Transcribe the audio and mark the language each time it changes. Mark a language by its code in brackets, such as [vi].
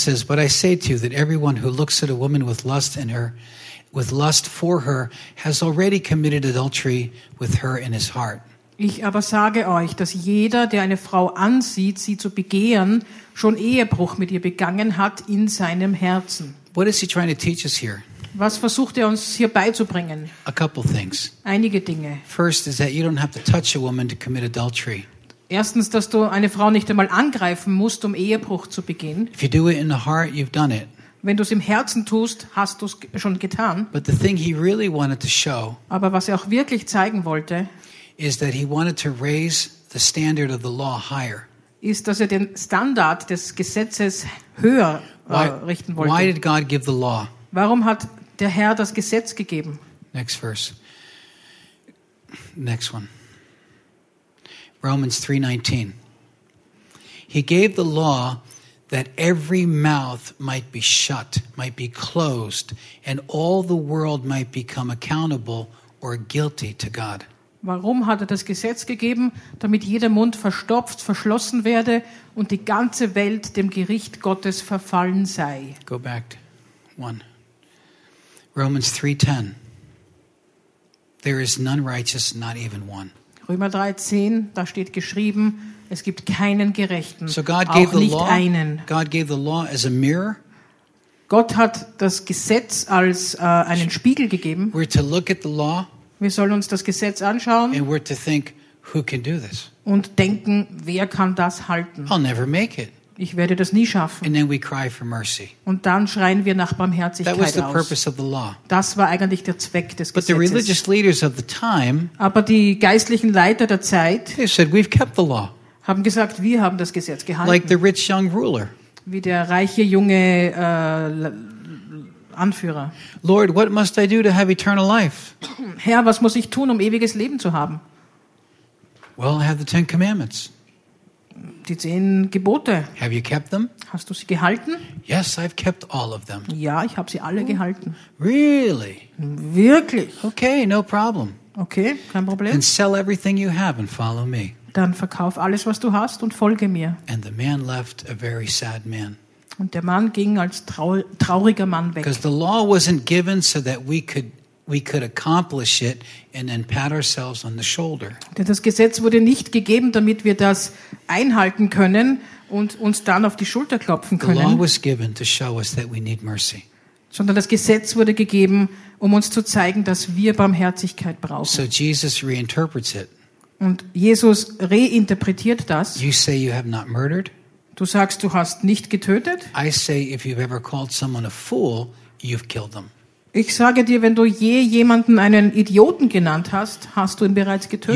[en] says, "But I say to you that everyone who looks at a woman with lust for her has already committed adultery with her in his heart." [de] Ich aber sage euch, dass jeder, der eine Frau ansieht, sie zu begehren, schon Ehebruch mit ihr begangen hat in seinem Herzen. [en] What is he trying to teach us here? [de] Was versucht er uns hier beizubringen? [en] A couple things. [de] Einige Dinge. [en] First is that you don't have to touch a woman to commit adultery. [de] Erstens, dass du eine Frau nicht einmal angreifen musst, um Ehebruch zu begehen. [en] If you do it in the heart, you've done it. [de] Wenn du es im Herzen tust, hast du es schon getan. [en] But the thing he really wanted to show, [de] aber was er auch wirklich zeigen wollte, [en] is that he wanted to raise the standard of the law higher. [de] Ist, dass er den Standard des Gesetzes höher richten wollte. [en] Why did God give the law? [de] Warum hat der Herr das Gesetz gegeben. [en] Next verse. Next one. Romans 3:19. He gave the law that every mouth might be shut, might be closed, and all the world might become accountable or guilty to God. [de] Warum hat er das Gesetz gegeben? Damit jeder Mund verstopft, verschlossen werde und die ganze Welt dem Gericht Gottes verfallen sei. [en] Go back to one. Romans 3:10. There is none righteous, not even one. [de] Römer 3:10, da steht geschrieben, es gibt keinen Gerechten, so [en] God gave [de] auch the nicht law, einen. [en] God gave the law as a mirror. [de] Gott hat das Gesetz als einen Spiegel gegeben. [en] We're to look at the law. [de] Wir sollen uns das Gesetz anschauen [en] and we're to think, who can do this? [de] Und denken, wer kann das halten? [en] I'll never make it. [de] Ich werde das nie schaffen. [en] And then we cry for mercy. [de] Und dann schreien wir nach Barmherzigkeit [en] that was the [de] aus. [en] Purpose of the law. [de] Das war eigentlich der Zweck des [en] But [de] Gesetzes. [en] The religious leaders of the time, [de] aber die geistlichen Leiter der Zeit [en] they said, we've kept the law. [de] Haben gesagt, wir haben das Gesetz gehalten. [en] Like the rich young ruler. [de] Wie der reiche junge Anführer. [en] Lord, what must I do to have eternal life? [de] Herr, was muss ich tun, um ewiges Leben zu haben? [en] Well, I have the Ten Commandments. [de] Die 10 Gebote. [en] Have you kept them? [de] Hast du sie gehalten? [en] Yes, I've kept all of them. [de] Ja, ich habe sie alle gehalten. [en] Really? [de] Wirklich? [en] Okay, no problem. [de] Okay, kein Problem. [en] And sell everything you have and follow me. [de] Dann verkauf alles, was du hast und folge mir. [en] And the man left a very sad man. [de] Und der Mann ging als trauriger Mann weg. [en] Because the law wasn't given so that we could accomplish it and then pat ourselves on the shoulder. [de] Denn das Gesetz wurde nicht gegeben, damit wir das einhalten können und uns dann auf die Schulter klopfen können. [en] The law was given to show us that we need mercy. [de] Sondern das Gesetz wurde gegeben, um uns zu zeigen, dass wir Barmherzigkeit brauchen. [en] So Jesus reinterprets it. [de] Und Jesus reinterpretiert das. [en] You say you have not murdered. [de] Du sagst, du hast nicht getötet. [en] I say if you've ever called someone a fool, you've killed them. [de] Ich sage dir, wenn du je jemanden einen Idioten genannt hast, hast du ihn bereits getötet.